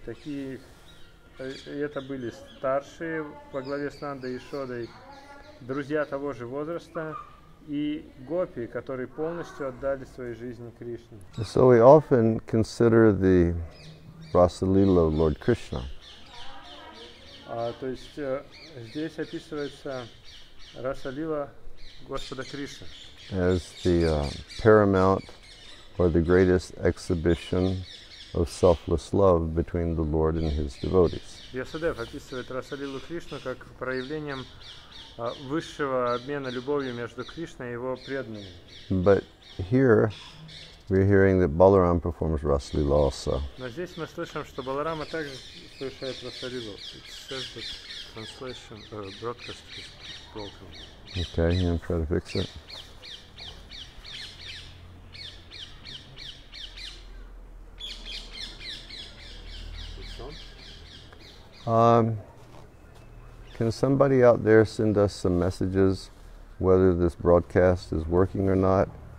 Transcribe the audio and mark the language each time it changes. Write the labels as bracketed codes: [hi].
[ru] Такие это были старшие во главе с Нандой и Ишодой, друзья того же возраста и гопи, которые полностью отдали свои жизни Кришне. [en] So we often consider the Rasalila of Lord Krishna. [ru] То есть здесь описывается Расалила Господа Кришны. [en] As the paramount or the greatest exhibition of selfless love between the Lord and his devotees. [ru] Ясадев описывает Расалилу Кришну как проявлением высшего обмена любовью между Кришной и его преданными. [en] But here we're hearing that Balaram performs Rasalila also. [ru] Но здесь мы слышим, что Баларама также совершает Расалилу. [en] It says that translation, broadcast is broken. Okay, I'm going to try to fix it. Can somebody out there send us some messages whether this broadcast is working or not?